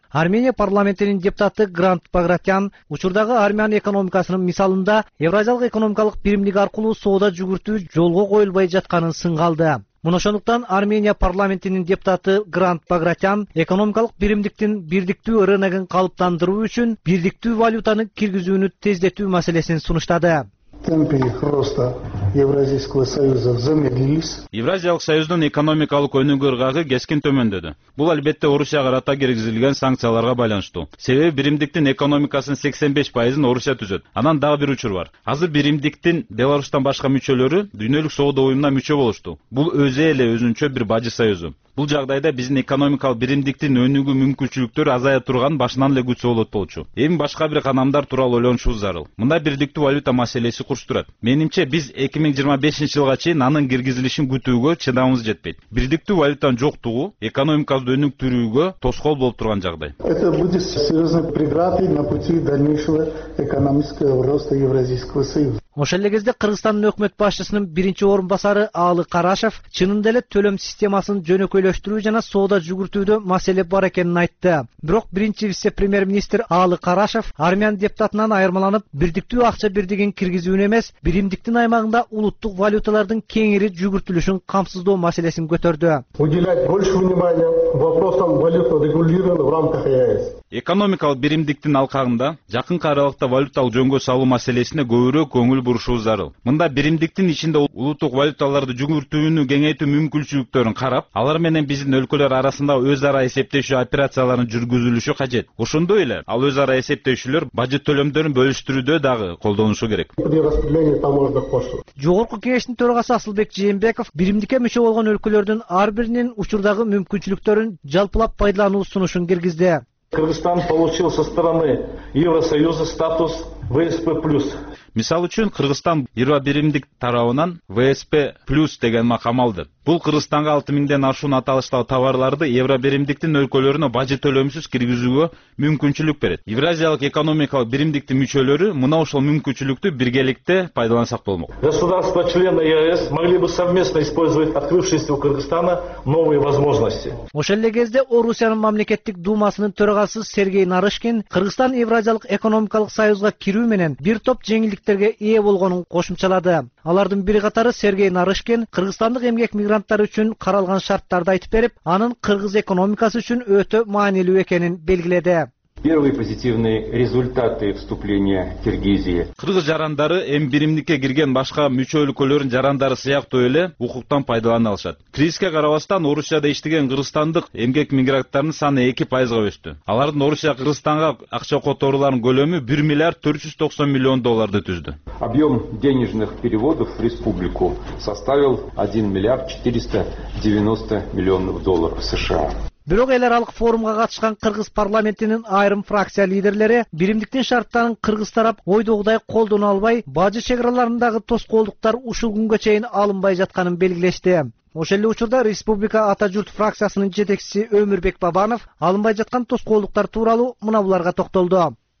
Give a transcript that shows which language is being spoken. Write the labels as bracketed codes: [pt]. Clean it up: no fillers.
[ky] Армения парламентинин депутаты Грант Багратян учурдагы армян экономикасынын мисалында евразиялык экономикалык биримдик аркылуу соода жүгүртүү жолго коюлбай жатканын сынга алды. Мына ошондуктан Армения парламентинин депутаты Грант Багратян экономикалык биримдиктин бирдиктүү рыногун калыптандыруу үчүн бирдиктүү валютаны киргизүүнү тездетүү маселесин сунуштады. [ru] Темпы роста Евразийского союза замедлились. [ky] Евразиялык союздун экономикалык өнүгүү ыргагы кескин төмөндөдү. Бул албетте Орусияга карата киргизилген санкцияларга байланыштуу. Себеби биримдиктин экономикасынын 85% Орусия түзөт. Анан дагы бир учур бар. Азыр биримдиктин Беларусьтан башка мүчөлөрү дүйнөлүк соода уюмуна мүчө болушту. Бул өзү эле өзүнчө бир бажы союзу. Бул жагдайда биздин экономикалык биримдиктин өнүгүү мүмкүнчүлүктөрү азая турган башынан эле күч болот болчу. Эми башка бир канамдар тууралуу ойлонушубуз зарыл. Мындай бирдиктүү валюта маселеси курчтурат. Менимче биз 2025 жылга чейин анын киргизилишин күтүүгө чыдамыбыз жетпейт. Бирдиктүү валютанын жоктугу экономикабызды өнүктүрүүгө тоскоол болуп турган жагдай. [ru] Это будет серьезной преградой на пути дальнейшего экономического роста Евразийского союза. [ky] Ошол эле кезде Кыргызстандын өкмөт башчысынын биринчи орун басары Аалы Карашев чынында эле төлөм системасын жөнөкөйлөштүрүү жана соода жүгүртүүдө маселе бар экенин айтты. Бирок биринчи вице премьер министр Аалы Карашев армян депутатынан айырмаланып бирдиктүү акча бирдигин киргизүүнү эмес биримдиктин аймагында улуттук валюталардын кеңири жүгүртүлүшүн камсыздоо маселесин көтөрдү. [ru] Уделять больше внимания вопросам валютного регулирования в рамках ЕАЭС. [ky] Экономикалык биримдиктин алкагында жакынкы аралыкта валюталык жөнгө салуу маселесине көбүрөөк көңүл бурушубуз зарыл. Мында биримдиктин ичинде улуттук валюталарды жүгүртүүнү кеңейтүү мүмкүнчүлүктөрүн карап, алар менен биздин өлкөлөр арасында өз ара эсептешүү операцияларын жүргүзүлүшү кажет. Ошондой эле ал өз ара эсептешүүлөр бажы төлөмдөрүн бөлүштүрүүдө дагы колдонушу керек. Жогорку кеңештин төрагасы Асылбек Жээнбеков биримдикке мүчө болгон өлкөлөрдүн ар биринин учурдагы мүмкүнчүлүктөрүн жалпылап пайдалануу сунушун киргизди. [ru] Кыргызстан получил со стороны Евросоюза статус ВСП+. [ky] Мисал үчүн Кыргызстан 21 биримдик тарабынан ВСП плюс деген макам алды. Бул Кыргызстанга 6000 ашуун аталыштагы товарларды евро биримдиктин өлкөлөрүнө бажы төлөмсүз киргизүүгө мүмкүнчүлүк берет. Евразиялык экономикалык биримдиктин мүчөлөрү мына ошол мүмкүнчүлүктү биргеликте пайдалансак болмок. [ru] Государства члены ЕАЭС могли бы совместно использовать открывшиеся у Кыргызстана новые возможности. [ky] Ошол эле кезде Орусиянын мамлекеттик думасынын төрагасы Сергей Нарышкин Кыргызстан евразиялык экономикалык союзга кирүү менен бир топ жеңилдиктерге ээ болгонун кошумчалады. Алардын бири катары Сергей Нарышкин кыргызстандык эмгек мигранттар үчүн каралган шарттарды айтып берип, анын кыргыз экономикасы үчүн өтө маанилүү экенин белгиледи. [ru] Первые позитивные результаты вступления Киргизии. [ky] Кыргыз жарандары М1-ке кирген башка мүчө өлкөлөрүн жарандары сыяктуу эле укуктан пайдалана алышат. Кризиске карабастан Орусияда иштеген кыргызстандык эмгек мигранттарынын саны 2% өстү. Алардын Орусия Кыргызстанга акча которууларынын көлөмү 1 миллиард 490 миллион долларды түздү. [ru] Объем денежных переводов в республику составил 1 миллиард 490 миллионов долларов США. [ky] Бирок эл аралык форумга катышкан кыргыз парламентинин айрым фракция лидерлери биримдиктин шарттарын кыргыз тарап ойдогудай колдоно албай, бажы чек аралыгындагы тоскоолдуктар ушул күнгө чейин алынбай жатканын белгилешти. Ошол эле учурда Республика Ата Журт фракциясынын жетекчиси Өмүрбек Бабанов алынбай жаткан тоскоолдуктар тууралуу мына буларга токтолду.